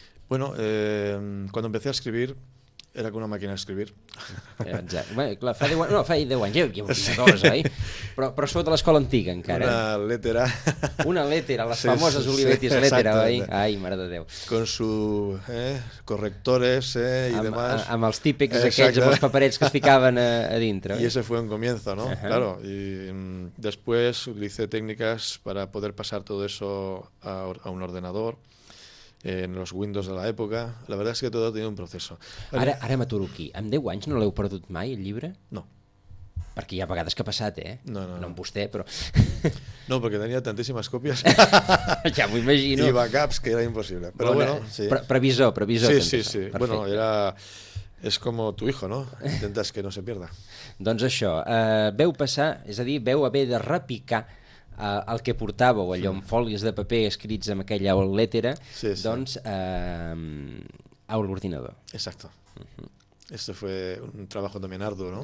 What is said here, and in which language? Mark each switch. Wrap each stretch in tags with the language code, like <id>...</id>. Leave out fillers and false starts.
<es>Bueno, cuando empecé a escribir era con una máquina de escribir. Exacto. Bueno, claro, fa 10 años, no, fa 10 años, qué bonita cosa, ¿eh?</es> <ca>però sou de l'escola antiga encara.</ca> <es>Una lettera.</es> <ca>Una lettera, les famoses Olivetti's lettera, oi? Ai, mare de Déu.</ca> <es>Con su correctores y demás.</es> <ca>Amb els típics aquells, amb els paperets que es ficaven a dintre.</ca> <es>Y ese fue un comienzo, ¿no? Uh-huh. Claro. Y después utilicé técnicas para poder pasar todo eso a un ordenador. En los Windows de la época, la verdad es que todo ha tenido un proceso.</es> <ca>Ara m'aturo aquí. Amb 10 anys no l'heu perdut mai, el llibre? No. Perquè hi ha vegades que ha passat, eh? No. No amb vostè, però... No, perquè tenia tantíssimes còpies. Ja m'ho imagino. I backups, que era impossible. Però bueno, sí. Previsor. Sí. Perfecte. Bueno, era... És com</ca> <es>tu hijo,</es> <ca>no?</ca> <es>Intentes que no se pierda.</es> <ca>Doncs això, veu passar, és a dir, veu haver de repicar el que portava, o allò amb folis de paper escrits amb aquella lettera, sí. Doncs a l'ordinador.</ca> <es>Exacto. Uh-huh. Este fue un trabajo también arduo, ¿no?</es>